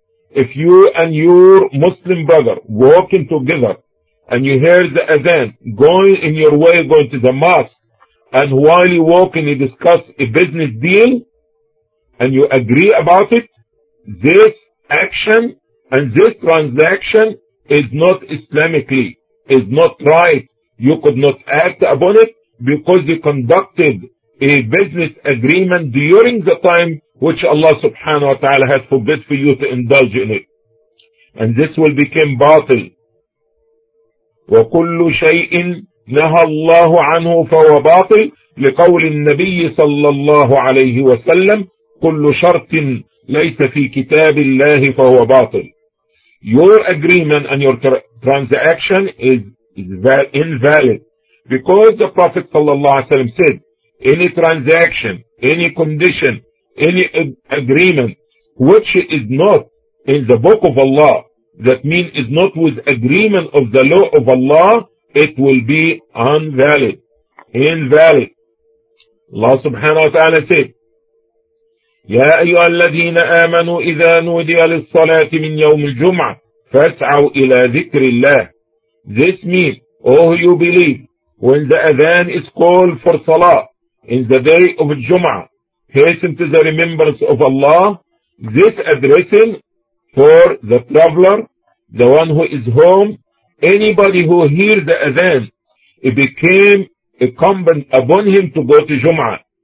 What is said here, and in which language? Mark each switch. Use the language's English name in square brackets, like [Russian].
[English] If you and your Muslim brother walking together and you hear the adhan going in your way, going to the mosque, and while you walking you discuss a business deal, and you agree about it, this action and this transaction is not Islamically, is not right. You could not act upon it because you conducted a business agreement during the time which Allah subhanahu wa ta'ala has forbid for you to indulge in it. And this will become batil. [Arabic] وَكُلُّ شَيْءٍ نَهَى اللَّهُ عَنْهُ فَهُوَ بَاطِلْ لِقَوْلِ النَّبِيِّ صَلَّى اللَّهُ عَلَيْهِ وَسَلَّمْ كل شرط ليس في كتاب الله فهو باطل. [English] Your agreement and your transaction is invalid because the Prophet sallallahu alaihi wasallam said, any transaction, any condition, any agreement which is not in the book of Allah, that means is not with agreement of the law of Allah, it will be invalid. Invalid. [Arabic] Allah subhanahu wa ta'ala said, يا أيها الذين آمنوا إذا نودي للصلاة من يوم الجمعة فاسعوا إلى ذكر الله. [English] This means, oh you believe, when the adhan is called for salah in the day of Jum'ah, hasten to the remembrance of Allah. This addressing for the traveler, the one who is home, anybody who hears the adhan, it became incumbent upon him to go to Jum'ah.